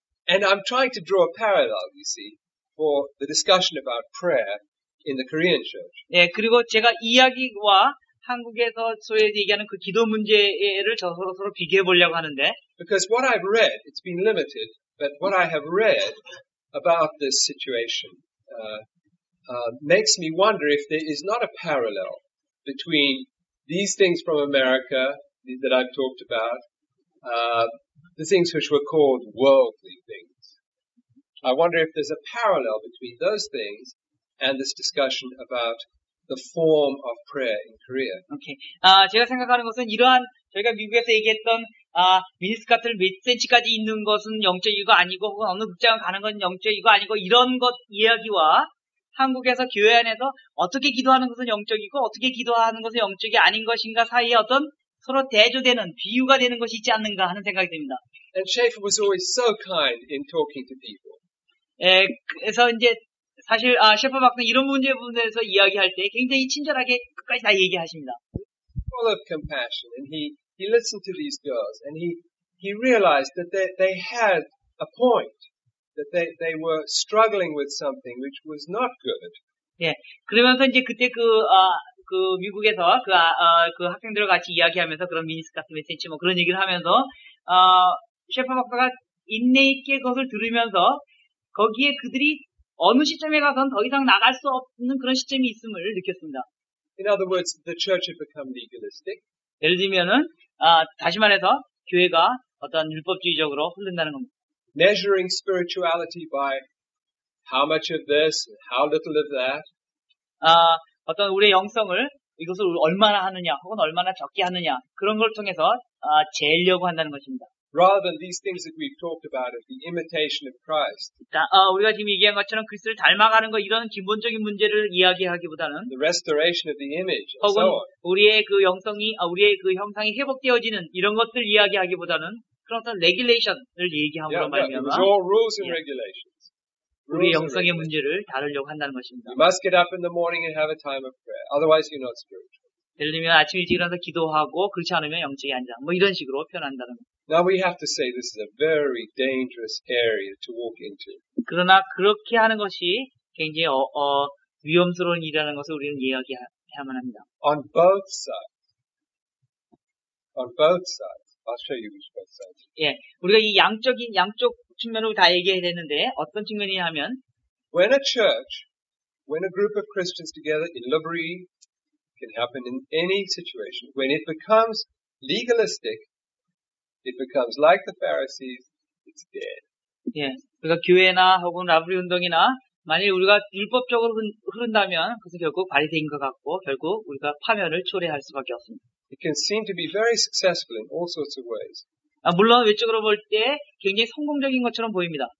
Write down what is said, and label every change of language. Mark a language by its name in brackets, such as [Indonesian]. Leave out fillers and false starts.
[English] And I'm trying to draw a parallel, you see, for the discussion about prayer. In the Korean church. [Korean] 예, 그리고 제가 이야기와 한국에서 소위 얘기하는 그 기도 문제를 서로 비교해 보려고 하는데. [English] Because what I've read, it's been limited, but what I have read about this situation makes me wonder if there is not a parallel between these things from America that I've talked about, the things which were called worldly things. I wonder if there's a parallel between those things and this discussion about the form of prayer in Korea. Okay. [Korean] 제가 생각하는 것은 이러한 저희가 미국에서 얘기했던 미니스커트를 몇 센치까지 있는 것은 영적이고 아니고 혹은 어느 극장을 가는 건 영적이고 아니고 이런 것 이야기와 한국에서 교회 안에서 어떻게 기도하는 것은 영적이고 어떻게 기도하는 것은 영적이 아닌 것인가 사이에 어떤 서로 대조되는 비유가 되는 것이 있지 않는가 하는 생각이 듭니다. [English] And Schaeffer was always so kind in talking to people. [Korean] 예, 그래서 이제 사실 셰퍼 박사는 이런 문제에 대해서 이야기할 때 굉장히 친절하게 끝까지 다 얘기하십니다. [English] Full of compassion, and he listened to these girls, and he realized that they had a point, that they were struggling with something which was not good. [Korean] 예, 그러면서 이제 그때 그 미국에서 그 학생들과 같이 이야기하면서 그런 미니스커트 메시지 뭐 그런 얘기를 하면서 셰퍼 박사가 인내 있게 그것을 들으면서 거기에 그들이 어느 시점에 가선 더 이상 나갈 수 없는 그런 시점이 있음을 느꼈습니다. [English] In other words, the church had become legalistic. [Korean] 예를 들면은 다시 말해서 교회가 어떤 율법주의적으로 흐른다는 겁니다. [English] Measuring spirituality by how much of this, how little of that. [Korean] 어떤 우리의 영성을 이것을 얼마나 하느냐 혹은 얼마나 적게 하느냐 그런 걸 통해서 재려고 한다는 것입니다. [English] Rather than these things that we've talked about, the imitation of Christ. [Korean] 우리가 지금 얘기한 것처럼 그리스도를 닮아가는 것 이런 기본적인 문제를 이야기하기보다는, [English] the restoration of the image, [Korean] 혹은 [English] and so on. [Korean] 우리의 그 영성이, 우리의 그 형상이 회복되어지는 이런 것들 이야기하기보다는 그런 어떤 regulation을 얘기하고 말이야. [English] It was all rules and regulations. [Korean] 우리 영성의 문제를 다루려고 한다는 것입니다. [English] You must get up in the morning and have a time of prayer. Otherwise, you're not spiritual. [Korean] 예를 들면 아침 일찍 일어나서 기도하고 그렇지 않으면 영적이 아니다. 뭐 이런 식으로 표현한다는 거. [English] Now we have to say this is a very dangerous area to walk into. [Korean] 그러나 그렇게 하는 것이 굉장히 위험스러운 일이라는 것을 우리는 이해해야만 합니다. [English] On both sides. On both sides. I'll show you which both sides. [Korean] 예, 우리가 이 양쪽 측면으로 다 얘기해야 되는데 어떤 측면이냐면 [English] When a church, when a group of Christians together in Liberty can happen in any situation. When it becomes legalistic, it becomes like the Pharisees, it's dead. [Korean] 예, 그러니까 교회나 혹은 라브리 운동이나 만일 우리가 율법적으로 흐른다면 그것은 결국 바리새인 것 같고 결국 우리가 파멸을 초래할 수밖에 없습니다. [English] It can seem to be very successful in all sorts of ways. [Korean] 아, 물론 외적으로 볼 때 굉장히 성공적인 것처럼 보입니다.